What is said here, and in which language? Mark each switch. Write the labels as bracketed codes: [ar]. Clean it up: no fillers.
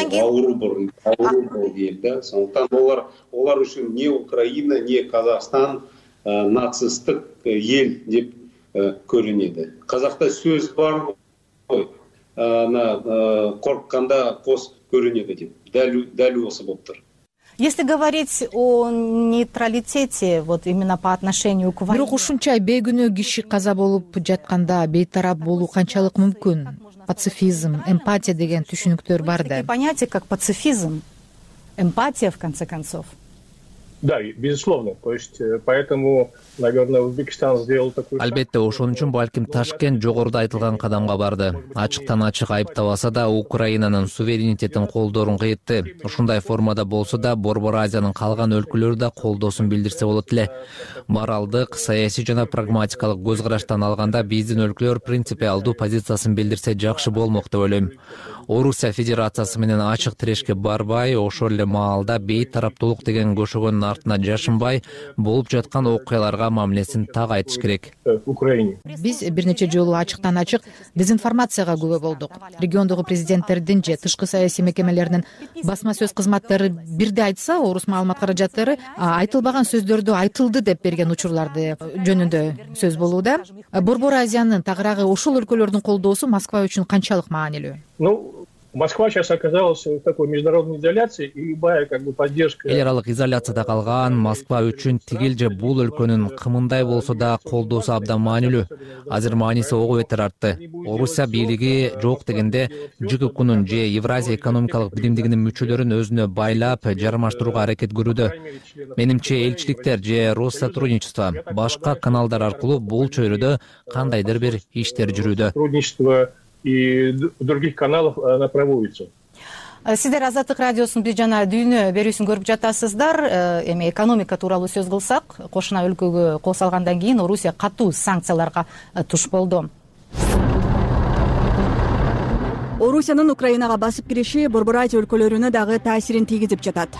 [kk] Ауру ел, сондықтан олар үшін не Украина, не Қазақстан нацистік ел деп көрінеді. Қазақта сөз бар ғой, ана қорыққанда қос көрінеді деп. Дәл осы болып тұр. [ru] Если говорить о нейтралитете, вот именно по отношению к войне. [ky] Бирок ушунча бейгүнө киши каза болуп жатканда бейтарап болуу канчалык мүмкүн? Пацифизм, эмпатия деген түшүнүктөр бар да. [ru] Понятие как пацифизм, эмпатия в конце концов. Да, безусловно. То есть поэтому, наверное, Узбекистан сделал такой шаг. [ky] Албетте, ошон үчүн балким Ташкент жогоруда айтылган кадамга барды. Ачыктан ачык айыптабаса да, Украинанын суверенитетин колдорун кыйтты. Ушундай формада болсо да, Борбор Азиянын калган өлкөлөрү да колдосун билдирсе болот эле. Моралдык, саясий жана прагматикалык көз караштан алганда биздин өлкөлөр принципиалдуу позициясын билдирсе жакшы болмок деп ойлойм. Орусия Федерациясы менен ачык тирешке барбай, ошол эле маалда бейтараптуулук деген көшөгөнүн артына жашынбай болуп жаткан окуяларга мамилесин так айтыш керек. Биз бир нече жолу ачыктан ачык дезинформацияга күбө болдук. Региондогу президенттердин же тышкы саясий мекемелеринин басма сөз кызматтары бирде айтса, орус маалымат каражаттары айтылбаган сөздөрдү айтылды деп берген учурларды жөнүндө сөз болууда. Борбор Азиянын тагыраагы ошол өлкөлөрдүн колдоосу Москва үчүн канчалык маанилүү? [ru] Москва сейчас оказалась в такой международной изоляции, и любая как бы поддержка. [ky] Эл аралык изоляцияда калган Москва үчүн тигил же бул өлкөнүн кымындай болсо да колдоосу абдан маанилүү. Азыр мааниси ого бетер артты. Орусия бийлиги жок дегенде ЖККнын же Евразия экономикалык биримдигинин мүчөлөрүн өзүнө байлап жармаштырууга аракет көрүүдө. Менимче элчиликтер же Россотрудничество башка каналдар аркылуу бул чөйрөдө кандайдыр бир иштер жүрүүдө. [ru] И других каналов она проводится. [ky] Сиздер Азаттык радиосун бир жана дүйнө берүүсүн көрүп жатасыздар. Эми экономика тууралуу сөз кылсак, кошуна өлкөгө кол салгандан кийин Орусия катуу санкцияларга туш болду. Орусиянын Украинага басып кириши Борбор Азия өлкөлөрүнө дагы таасирин тийгизип жатат.